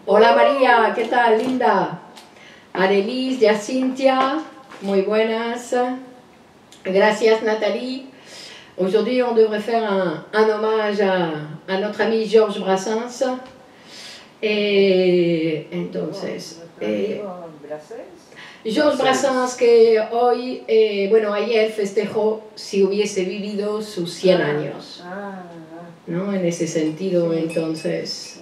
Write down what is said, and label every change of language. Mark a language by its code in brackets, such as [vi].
[es] Hola, María, ¿qué tal, linda? Arelis, Yacintia, muy buenas. Gracias, Nathalie. [fr] Aujourd'hui, on devrait faire un hommage à notre ami Georges Brassens. Et [es] entonces. [fr] Bon, notre [es] amigo [fr] Brassens. [es] George Brassens, que hoy, bueno, ayer festejó si hubiese vivido sus 100 años. ¿No? En ese sentido, sí, entonces.